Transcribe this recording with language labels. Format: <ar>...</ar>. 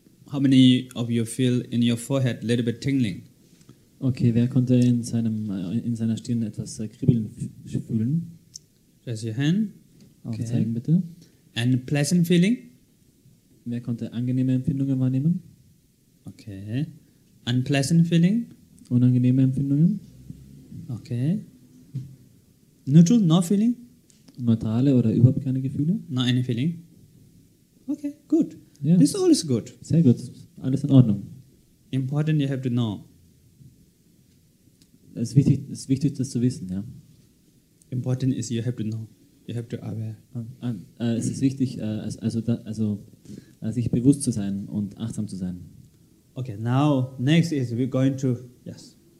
<en>How many of you feel in your forehead a little bit tingling?</en> <de>Okay, wer konnte in seiner Stirn etwas kribbeln fühlen?</de> <en>Raise your hand.</en> <de>Auch okay. Zeigen bitte.</de> <en>And a pleasant feeling?</en> <de>Wer konnte angenehme Empfindungen wahrnehmen?</de> <en>Okay. Unpleasant feeling?</en> <de>Unangenehme Empfindungen?</de> <en>Okay. Neutral, no feeling?</en> <de>Neutrale oder überhaupt keine Gefühle?</de> <en>No any feeling. Okay, good. Yeah. This all is good.</en> <de>Sehr gut. Alles in Ordnung.</de> <en>Important you have to know.</en> <de>Es ist wichtig, das zu wissen, ja.</de> <en>Important is you have to know. You have to aware.</en> <de>Es ist wichtig, sich bewusst zu sein und achtsam zu sein.</de> <en>Okay, now, next is we're going to, yes.</en>